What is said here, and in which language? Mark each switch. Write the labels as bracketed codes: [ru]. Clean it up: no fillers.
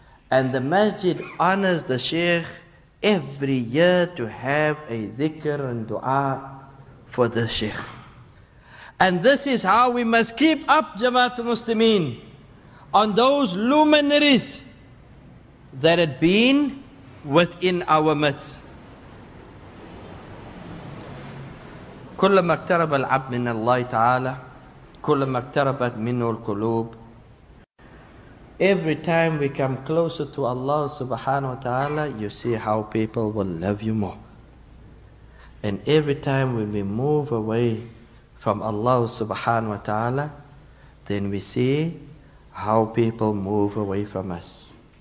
[en] And the masjid honors the Sheikh every year to have a dhikr and dua for the Sheikh. And this is how we must keep up Jamaat al-Muslimin on those luminaries that had been within our midst. [ar] كلما اقترب العبد من الله تعالى كلما اقتربت منه القلوب. [en] Every time we come closer to Allah subhanahu wa ta'ala, you see how people will love you more. And every time when we move away from Allah subhanahu wa ta'ala, then we see how people move away from us.